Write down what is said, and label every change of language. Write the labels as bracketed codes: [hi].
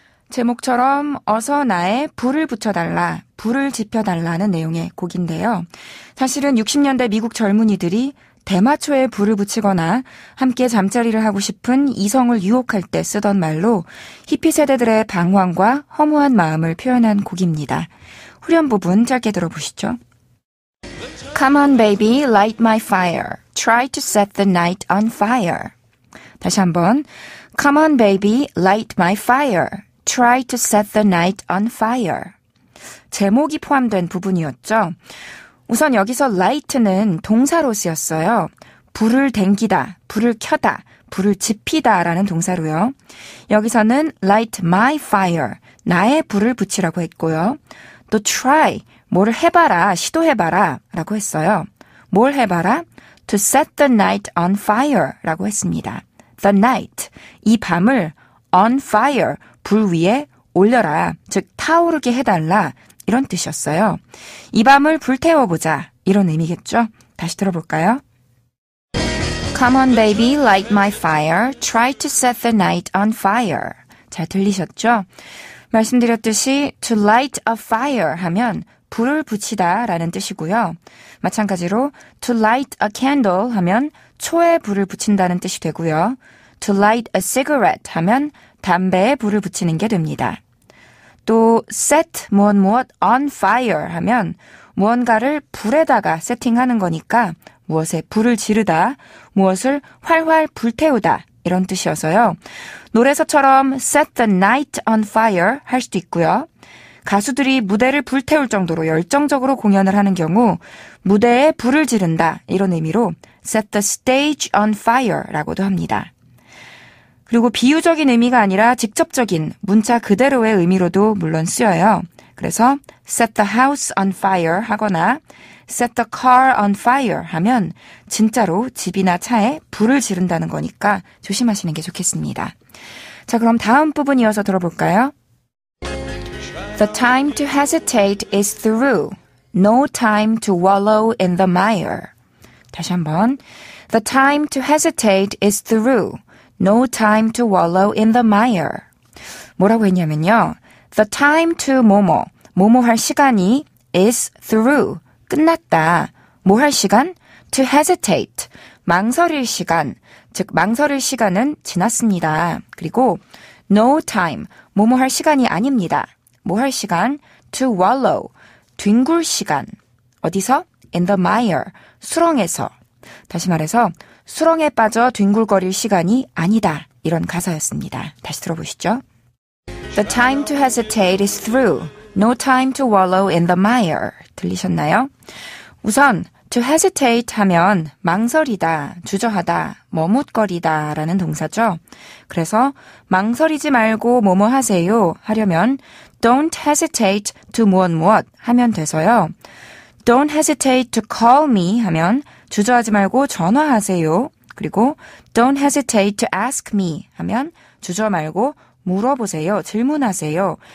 [ko] 제목처럼 어서 나의 불을 붙여달라, 불을 지펴달라는 내용의 곡인데요. 사실은 60년대 미국 젊은이들이 대마초에 불을 붙이거나 함께 잠자리를 하고 싶은 이성을 유혹할 때 쓰던 말로 히피 세대들의 방황과 허무한 마음을 표현한 곡입니다. 후렴 부분 짧게 들어보시죠. [en] Come on baby, light my fire. Try to set the night on fire. [ko] 다시 한번. [en] Come on baby, light my fire. Try to set the night on fire. [ko] 제목이 포함된 부분이었죠. 우선 여기서 light는 동사로 쓰였어요. 불을 댕기다, 불을 켜다, 불을 지피다 라는 동사로요. 여기서는 [en] light my fire, [ko] 나의 불을 붙이라고 했고요. 또 try, 뭘 해봐라, 시도해봐라 라고 했어요. 뭘 해봐라? [en] To set the night on fire [ko] 라고 했습니다. [en] The night, [ko] 이 밤을 [en] on fire, [ko] 불 위에 올려라, 즉 타오르게 해달라 이런 뜻이었어요. 이 밤을 불태워보자 이런 의미겠죠? 다시 들어볼까요? [en] Come on baby, light my fire. Try to set the night on fire. [ko] 잘 들리셨죠? 말씀드렸듯이 [en] to light a fire [ko] 하면 불을 붙이다 라는 뜻이고요. 마찬가지로 [en] to light a candle [ko] 하면 초에 불을 붙인다는 뜻이 되고요. [en] To light a cigarette [ko] 하면 담배에 불을 붙이는 게 됩니다. 또 set 무엇 무엇 on fire 하면 무언가를 불에다가 세팅하는 거니까 무엇에 불을 지르다, 무엇을 활활 불태우다 이런 뜻이어서요. 노래서처럼 [en] set the night on fire [ko] 할 수도 있고요. 가수들이 무대를 불태울 정도로 열정적으로 공연을 하는 경우 무대에 불을 지른다 이런 의미로 [en] set the stage on fire [ko] 라고도 합니다. 그리고 비유적인 의미가 아니라 직접적인 문자 그대로의 의미로도 물론 쓰여요. 그래서 [en] set the house on fire [ko] 하거나 [en] set the car on fire [ko] 하면 진짜로 집이나 차에 불을 지른다는 거니까 조심하시는 게 좋겠습니다. 자, 그럼 다음 부분 이어서 들어볼까요? [en] The time to hesitate is through. No time to wallow in the mire. [ko] 다시 한번. [en] The time to hesitate is through. No time to wallow in the mire. [ko] 뭐라고 했냐면요. [en] The time to [ko] 뭐뭐, 뭐뭐 할 시간이 [en] is through, [ko] 끝났다. 뭐 할 시간? [en] To hesitate, [ko] 망설일 시간, 즉 망설일 시간은 지났습니다. 그리고 no time, 뭐뭐 할 시간이 아닙니다. 뭐 할 시간? [en] To wallow, [ko] 뒹굴 시간. 어디서? [en] In the mire, [ko] 수렁에서. 다시 말해서 수렁에 빠져 뒹굴거릴 시간이 아니다. 이런 가사였습니다. 다시 들어보시죠. [en] The time to hesitate is through. No time to wallow in the mire. [ko] 들리셨나요? 우선 [en] to hesitate [ko] 하면 망설이다, 주저하다, 머뭇거리다 라는 동사죠. 그래서 망설이지 말고 뭐뭐 하세요 하려면 [en] don't hesitate to [ko] 무엇 무엇 하면 돼서요. [en] Don't hesitate to call me [ko] 하면 주저하지 말고 전화하세요. 그리고 [en] don't hesitate to ask me [ko] 하면 주저 말고 물어보세요, 질문하세요.